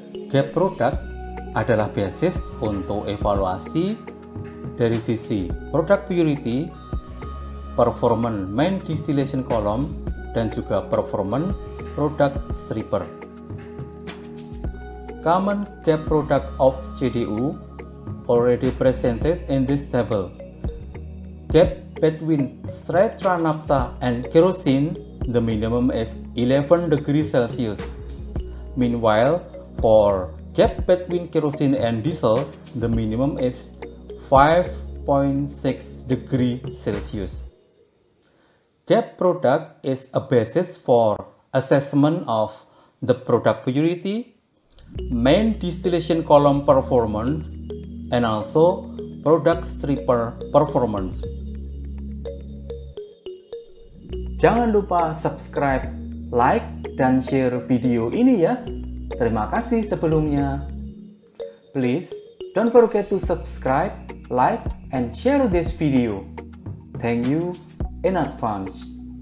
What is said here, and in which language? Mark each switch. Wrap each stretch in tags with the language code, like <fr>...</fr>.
<id>Gap produk adalah basis untuk evaluasi dari sisi product purity, performance main distillation column, dan juga performance product stripper.</id> <en>Common gap product of CDU already presented in this table. Gap between straight run naphtha and kerosene, the minimum is 11 degrees Celsius. Meanwhile, for gap between kerosene and diesel, the minimum is 5.6 degrees Celsius. Gap product is a basis for assessment of the product purity, main distillation column performance, and also product stripper performance.</en> <id>Jangan lupa subscribe, like, dan share video ini ya. Terima kasih sebelumnya.</id> <en>Please don't forget to subscribe, like, and share this video. Thank you in advance.</en>